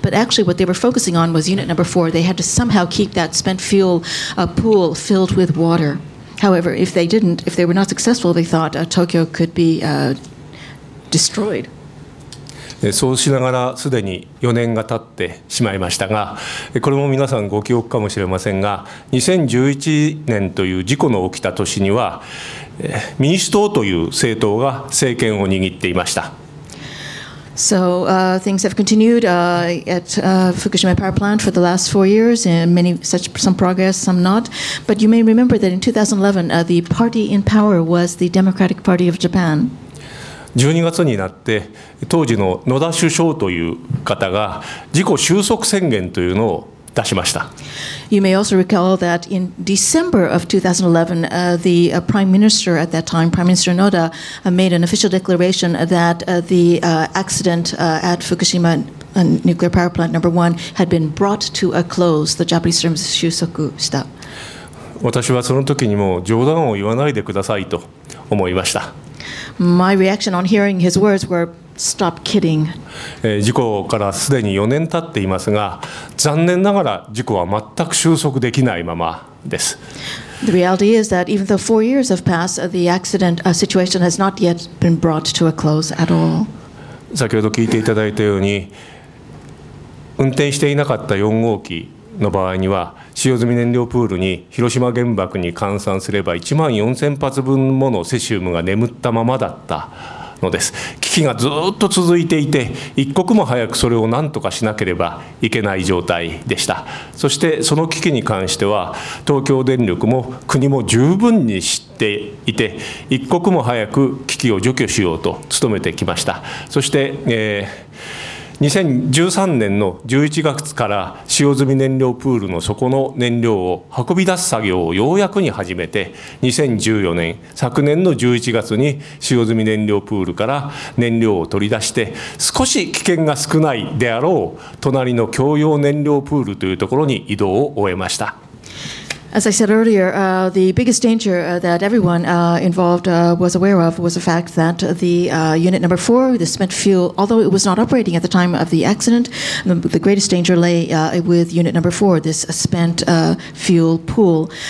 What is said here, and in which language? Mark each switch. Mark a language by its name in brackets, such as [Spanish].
[English] But actually what they were focusing on was unit number 4. They had to somehow keep that spent fuel pool filled with water. However, if they didn't, if they were not successful, they thought Tokyo could be destroyed. [Japanese] そうしながらすでに4年が経ってしまいましたが、これも皆さんご記憶かもしれませんが、2011年という事故の起きた年には、民主党という政党が政権を握っていました。 [English] So, things have continued at Fukushima Power Plant for the last 4 years, and many such some progress, some not. But you may remember that in 2011, the party in power was the Democratic Party of Japan. [Japanese] 12月になって、当時の野田首相という方が事故収束宣言というのを出しました。 [English] You may also recall that in December of 2011, the Prime Minister at that time, Prime Minister Noda, made an official declaration that the accident at Fukushima nuclear power plant number one had been brought to a close. The Japanese terms [Japanese] 収束した。私はその時にも冗談を言わないでくださいと思いました。 [English] My reaction on hearing his words were, "Stop kidding." [Japanese] 事故からすでに4年経っていますが、残念ながら事故は全く収束できないままです。 [English] The reality is that even though 4 years have passed, the accident situation has not yet been brought to a close at all. [Japanese] 先ほど聞いていただいたように、運転していなかった4号機の場合には使用済み燃料プールに広島原爆に換算すれば1万4000発分ものセシウムが眠ったままだったのです。危機がずっと続いていて、一刻も早くそれを何とかしなければいけない状態でした。そしてその危機に関しては東京電力も国も十分に知っていて、一刻も早く危機を除去しようと努めてきました。そして、2013年の11月から使用済み燃料プールの底の燃料を運び出す作業をようやくに始めて、2014年、昨年の11月に使用済み燃料プールから燃料を取り出して、少し危険が少ないであろう隣の共用燃料プールというところに移動を終えました。 [English] As I said earlier, the biggest danger that everyone involved was aware of was the fact that the unit number four, the spent fuel, although it was not operating at the time of the accident, the greatest danger lay with unit number four, this spent fuel pool.